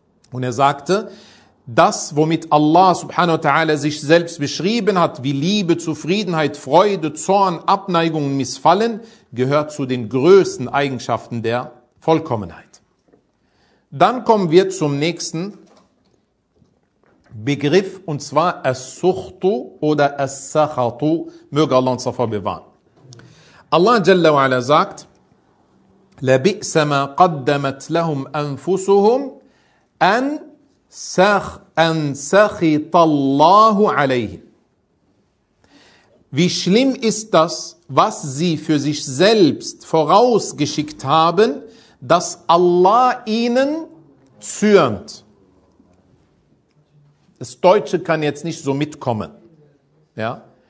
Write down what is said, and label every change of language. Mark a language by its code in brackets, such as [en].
[de] Und er sagte, das, womit Allah subhanahu wa ta'ala sich selbst beschrieben hat, wie Liebe, Zufriedenheit, Freude, Zorn, Abneigung und Missfallen, gehört zu den größten Eigenschaften der Vollkommenheit. Dann kommen wir zum nächsten Begriff, und zwar As-Suchtu oder As-Sakhatu, möge Allah uns davor bewahren. Allah Jalla wa ala sagt, [ar] لَبِئْسَ مَا قَدَّمَتْ لَهُمْ أَنفُسُهُمْ أَنْ سَخِطَ اللَّهُ عَلَيْهِمْ. [de] Wie schlimm ist das, was sie für sich selbst vorausgeschickt haben, dass Allah ihnen zürnt. Das Deutsche kann jetzt nicht so mitkommen. Ja?